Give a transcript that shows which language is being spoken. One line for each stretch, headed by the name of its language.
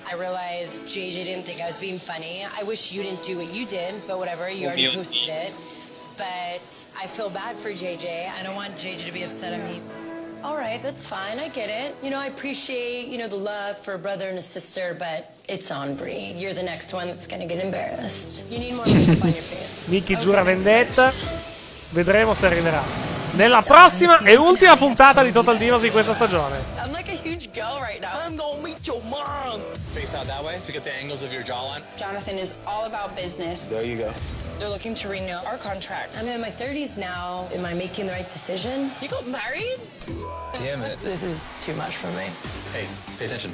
English: I realize JJ didn't think I was being funny. I wish you didn't do what you did, but whatever, you already posted it. But I feel bad for JJ. I don't want JJ to be upset at me. All right, that's fine. I get it. You know, I appreciate, you know, the love for a brother and a sister, but it's on Brie. You're the next one that's gonna get embarrassed. You need more makeup on your face.
Italian: Nikki giura vendetta. Vedremo se arriverà. Nella prossima e ultima puntata di Total Divas di questa stagione.
English: I'm like a huge girl right now. I'm gonna meet your mom. Face out that way to get the angles of your jawline. Jonathan is all about business. There you go. They're looking to renew our contract. I'm in my 30s now. Am I making the right decision? You got married? Damn it. This is too much for me. Hey, pay attention.